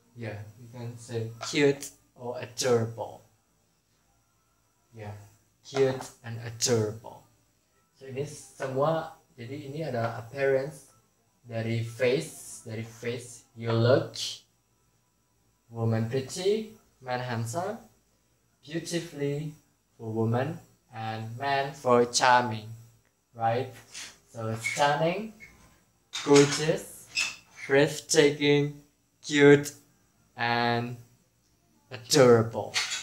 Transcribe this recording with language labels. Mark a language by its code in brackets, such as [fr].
[en] Ya yeah, you can say cute or adorable. Ya yeah, cute and adorable. [id] So ini semua, jadi ini adalah appearance dari face, dari face. [en] You look woman pretty, man handsome, beautifully for woman and man for charming, right? So stunning, gorgeous, breathtaking, cute, and adorable.